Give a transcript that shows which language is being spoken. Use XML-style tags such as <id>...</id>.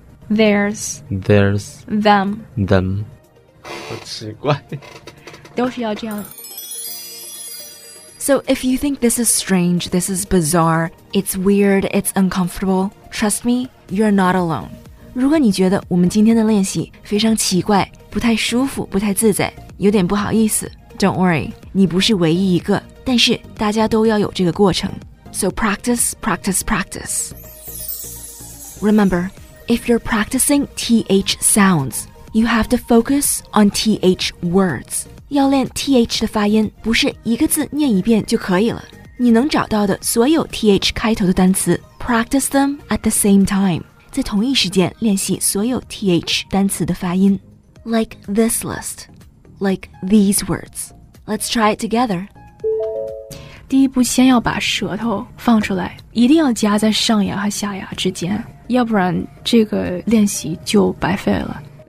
<en>There, that, this, these, those, theirs, them.</en> <zh>好奇怪，都是要这样。</zh> <en>So if you think this is strange, this is bizarre, it's weird, it's uncomfortable, trust me, you're not alone.</en> <zh>如果你觉得我们今天的练习非常奇怪，不太舒服，不太自在，有点不好意思，</zh> <en>don't worry,</en> <zh>你不是唯一一个，但是大家都要有这个过程。</zh> <en>So practice, practice, practice. Remember, if you're practicing TH sounds,You have to focus on TH words.</en> <zh>要练 TH 的发音，不是一个字念一遍就可以了。你能找到的所有 TH 开头的单词，</zh> <en>practice them at the same time.</en> <zh>在同一时间练习所有 TH 单词的发音。</zh> <en>Like this list. Like these words. Let's try it together.</en> <zh>第一步先要把舌头放出来，一定要夹在上牙和下牙之间，要不然这个练习就白费了。</zh>